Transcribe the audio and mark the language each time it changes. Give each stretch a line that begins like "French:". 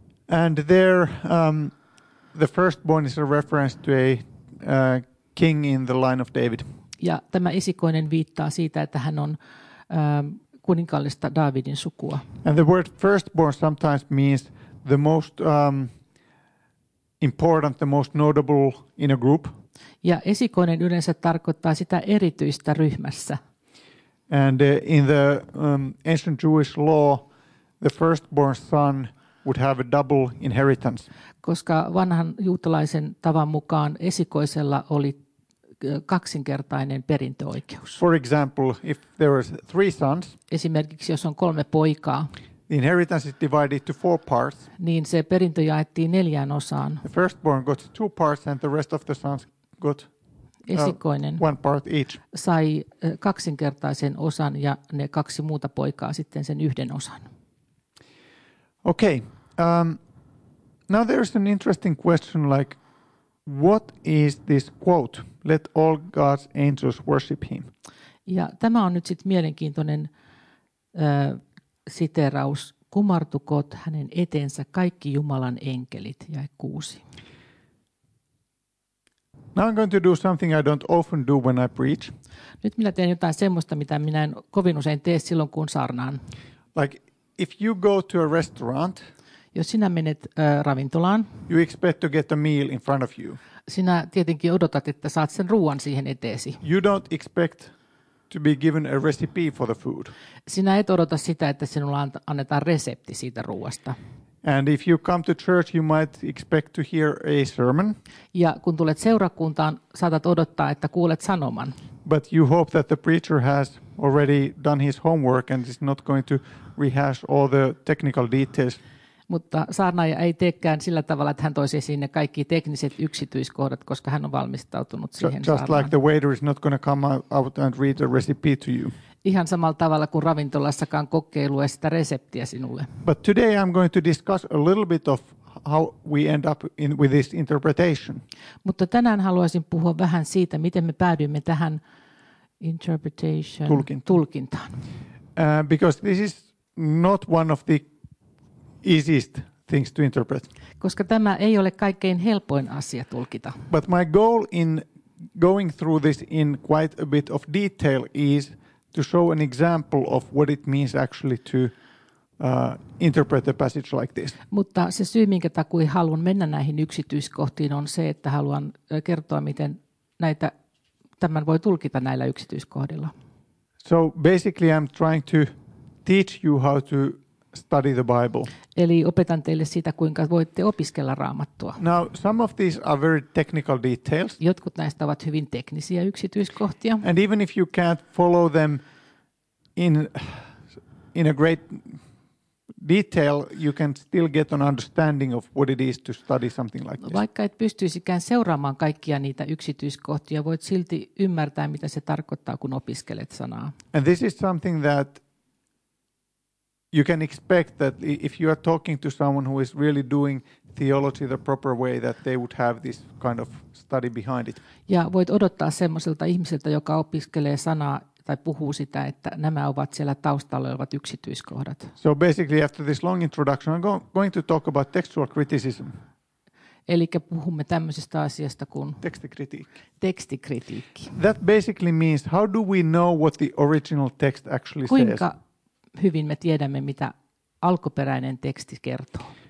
English: And there the firstborn is a reference to a king in the line of David.
Finnish: Ja tämä esikoinen viittaa siitä, että hän on kuninkaallista Daavidin sukua.
English: And the word firstborn sometimes means the most important, the most notable in a group.
Finnish: Ja esikoinen yleensä tarkoittaa sitä erityistä ryhmässä.
English: And in the ancient Jewish law, the firstborn son would have a double inheritance.
Finnish: Koska vanhan juutalaisen tavan mukaan esikoisella oli kaksinkertainen perintöoikeus.
English: For example, if there are three sons,
Finnish: esimerkiksi jos on kolme poikaa,
English: the inheritance is divided to four parts.
Finnish: Niin se perintö jaettiin neljään osaan.
English: The firstborn got two parts and the rest of the sons got
Finnish: esikoinen
English: one part each.
Finnish: Sai kaksinkertaisen osan ja ne kaksi muuta poikaa sitten sen yhden osan.
English: Okay. Now there's an interesting question, like, what is this quote? Let all God's angels worship him.
Finnish: Ja tämä on nyt sitten mielenkiintoinen siteraus. Kumartukoot hänen eteensä kaikki Jumalan enkelit, jae 6.
English: Now I'm going to do something I don't often do when I preach.
Finnish: Nyt minä teen jotain semmoista, mitä minä en kovin usein tee silloin, kun saarnaan.
English: Like, if you go to a restaurant,
Finnish: jos sinä menet ravintolaan,
English: you expect to get a meal in front of you.
Finnish: Sinä tietenkin odotat, että saat sen ruoan siihen eteesi.
English: You don't expect to be given a recipe for the food.
Finnish: Sinä et odota sitä, että sinulla annetaan resepti siitä ruoasta.
English: And if you come to church, you might expect to hear a sermon.
Finnish: Ja kun tulet seurakuntaan, saatat odottaa, että kuulet sanoman.
English: But you hope that the preacher has already done his homework and is not going to rehash all the technical details.
Finnish: Mutta saarnaaja ei teekään sillä tavalla, että hän toisi esiin ne kaikki tekniset yksityiskohdat, koska hän on valmistautunut siihen saarnaan.
English: Just like the waiter is not going to come out and read the recipe to you.
Finnish: Ihan samalla tavalla kuin ravintolassakaan kokeilua sitä reseptiä sinulle.
English: But today I'm going to discuss a little bit of how we end up in with this interpretation.
Finnish: Mutta tänään haluaisin puhua vähän siitä, miten me päädyimme tähän interpretation tulkintaan.
English: Because this is not one of the easiest things to interpret.
Finnish: Koska tämä ei ole kaikkein helpoin asia tulkita.
English: But my goal in going through this in quite a bit of detail is to show an example of what it means actually to interpret the passage like this.
Finnish: Mutta se syy, minkä takia haluan mennä näihin yksityiskohtiin, on se, että haluan kertoa, miten näitä tämän voi tulkita näillä yksityiskohdilla.
English: So basically I'm trying to teach you how to study the Bible.
Finnish: Eli opetan teille sitä, kuinka voitte opiskella Raamattua.
English: Now, some of these are very technical details.
Finnish: Jotkut näistä ovat hyvin teknisiä yksityiskohtia.
English: And even if you can't follow them in a great detail, you can still get an understanding of what it is to study something like this.
Finnish: Vaikka et pystyisikään seuraamaan kaikkia niitä yksityiskohtia, voit silti ymmärtää, mitä se tarkoittaa, kun opiskelet sanaa.
English: And this is something that you can expect that if you are talking to someone who is really doing theology the proper way, that they would have this kind of study behind it.
Finnish: Ja voit odottaa semmoiselta ihmiseltä, joka opiskelee sanaa tai puhuu sitä, että nämä ovat siellä taustalla olevat yksityiskohdat.
English: So basically after this long introduction, I'm going to talk about textual criticism.
Finnish: Eli puhumme tämmöisestä asiasta kuin tekstikritiikki.
English: That basically means, how do we know what the original text actually
Finnish: Kuinka
English: says?
Finnish: Hyvin me tiedämme, mitä alkuperäinen teksti kertoo.